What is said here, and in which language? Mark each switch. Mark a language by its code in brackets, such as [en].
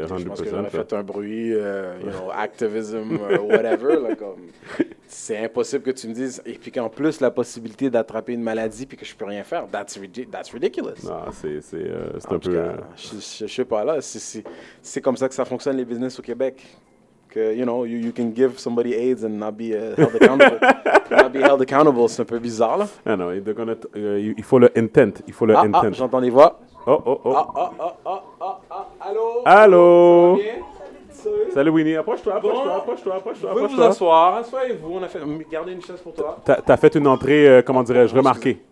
[fr] rendu possible. Je pense que j'aurais fait un bruit, [en] you know, activism, whatever, [fr] là, comme... C'est impossible que tu me dises, et puis qu'en plus, la possibilité d'attraper une maladie puis que je peux rien faire, [en] that's ridiculous. [fr] Non, c'est un peu... Je sais pas, là, c'est comme ça que ça fonctionne les business au Québec. [en] Que, you know, you can give somebody AIDS and not be held accountable. Not be held accountable, [fr] c'est un peu bizarre, là. [en] Ah non, they're gonna... [fr] il faut le intent, il faut le intent. Ah, j'entends des voix. Oh, allô? Allô? Salut Winnie, approche-toi. Vous pouvez vous asseoir, asseyez-vous, on a fait garder une chaise pour toi. T'as fait une entrée, comment dirais-je, remarquée.